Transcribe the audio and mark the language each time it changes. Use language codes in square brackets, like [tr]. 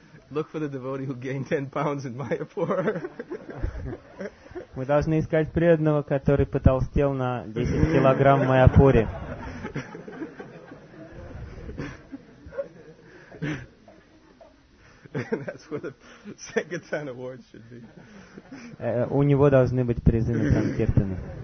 [en] Look for the devotee who gained 10 pounds in Mayapur. [ru] Мы должны искать преданного, который потолстел на 10 килограмм в Майяпуре. [en] And that's where the Sankirtan award should be. [ru] У него должны быть призы на Санкиртане.